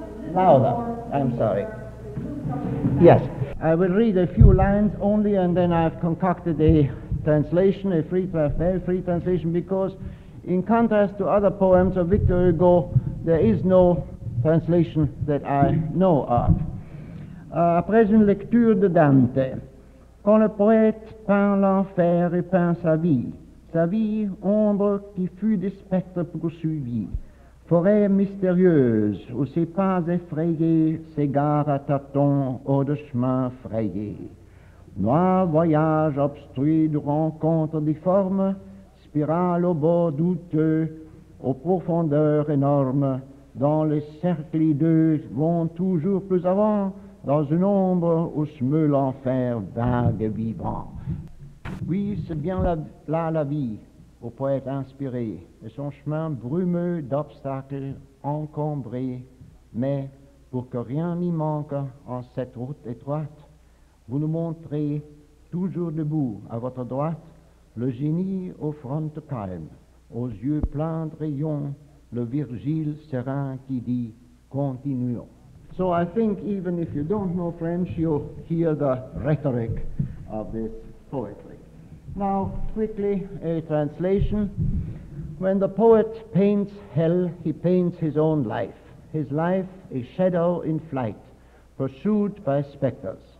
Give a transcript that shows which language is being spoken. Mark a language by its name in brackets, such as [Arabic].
[English] Louder, I'm sorry. Yes, I will read a few lines only, and then I've concocted a translation, a free translation, because in contrast to other poems of Victor Hugo, there is no translation that I know of. [French] Après une lecture de Dante, quand le poète peint l'enfer et peint sa vie ombre qui fut des spectres poursuivis, forêt mystérieuse où ses pas effrayés s'égarent à tâtons hors de chemin frayé. Noir voyage obstruit de rencontres difformes, spirale au bord douteux, aux profondeurs énormes, dans les cercles hideux vont toujours plus avant, dans une ombre où se meut l'enfer vague et vivant. Oui, c'est bien là la vie. Au poète inspiré, et son chemin brumeux d'obstacles encombrés, mais pour que rien n'y manque en cette route étroite, vous nous montrez toujours debout à votre droite le génie au front calme, aux yeux pleins de rayons, le Virgile serein qui dit continuons. [English] So I think even if you don't know French, you'll hear the rhetoric of this poetry. Now, quickly, a translation. When the poet paints hell, he paints his own life. His life, a shadow in flight, pursued by specters.